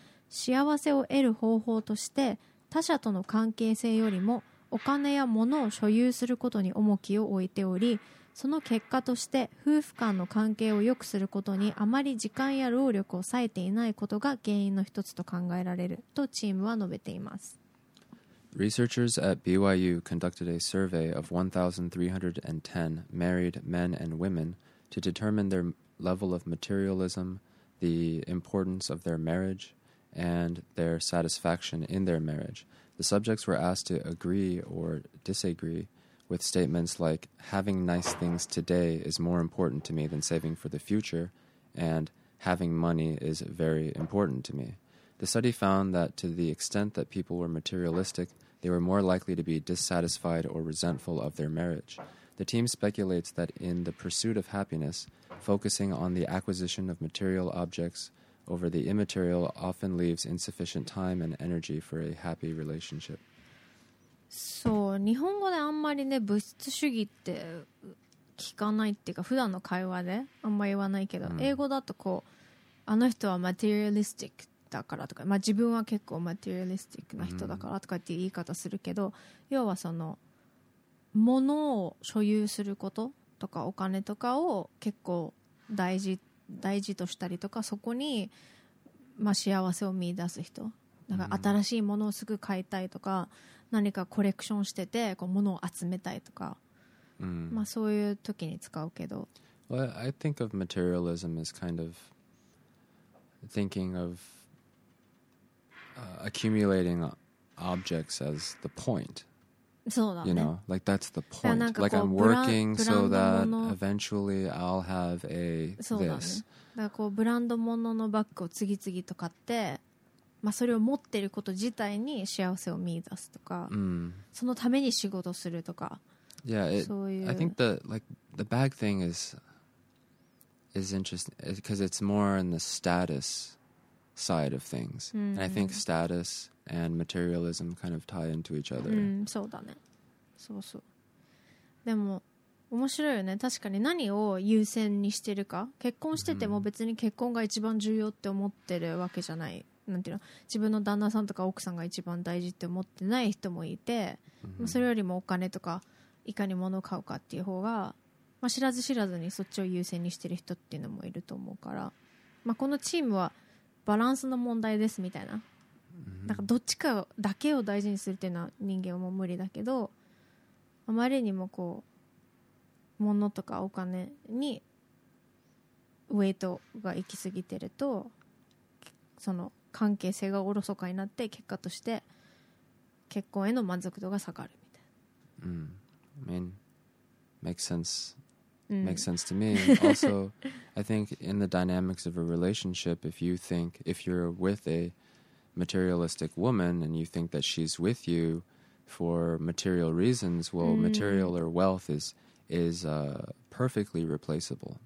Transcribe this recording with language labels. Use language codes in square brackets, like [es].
[ja] 幸せを得る方法として、他者との関係性よりもお金や物を所有することに重きを置いており、その結果として夫婦間の関係を良くすることにあまり時間や労力を割いていないことが原因の一つと考えられると、チームは述べています。 [en] Researchers at BYU conducted a survey of 1,310 married men and women to determine their level of materialism, the importance of their marriage, and their satisfaction in their marriage. The subjects were asked to agree or disagree with statements like, having nice things today is more important to me than saving for the future, and having money is very important to me. The study found that to the extent that people were materialistic,they were more likely to be dissatisfied or resentful of their marriage. The team speculates that in the pursuit of happiness, focusing on the acquisition of material objects over the immaterial often leaves insufficient time and energy for a happy relationship. [ja] そう、日本語であんまりね、物質主義って聞かないっていうか、普段の会話であんまり言わないけど、英語だとこう、あの人はマテリアリスティックだからとか、まあ、自分は結構マテリアリスティックな人だからとかっていう言い方するけど、要はその物を所有することとかお金とかを結構大事としたりとか、そこに、まあ、幸せを見出す人だから、新しいものをすぐ買いたいとか、何かコレクションしててこう物を集めたいとか、まあ、そういう時に使うけど、 [en] Well, I think of materialism as kind of thinking ofaccumulating objects as the point. [ja] そうだね。 [en] You know, like that's the point. Like I'm working so that eventually I'll have a this. [ja] だからこうブランド物のバッグを次々と買って、まあ、それを持ってること自体に幸せを見出すとか、そのために仕事するとか。 [en] Yeah, I think the bag thing is interesting because it's more in the status. Side of things. And I think status and materialism kind of tie into each other. [ja] そうだね。そうそう。でも面白いよね。確かに何を優先にしてるか。結婚してても別に結婚が一番重要って思ってるわけじゃない。なんていうの？自分の旦那さんとか奥さんが一番大事って思ってない人もいて、それよりもお金とかいかに物を買うかっていう方が、まあ、知らず知らずにそっちを優先にしてる人っていうのもいると思うから、まあ、このチームはバランスの問題ですみたいな、なんかどっちかだけを大事にするっていうのは人間はもう無理だけど、あまりにもこう物とかお金にウェイトが行き過ぎてると、その関係性がおろそかになって、結果として結婚への満足度が下がるみたいな。 [en] I mean, makes sense to me. Also, I think in the dynamics of a relationship, if you're with a materialistic woman and you think that she's with you for material reasons, well, material or wealth is perfectly replaceable.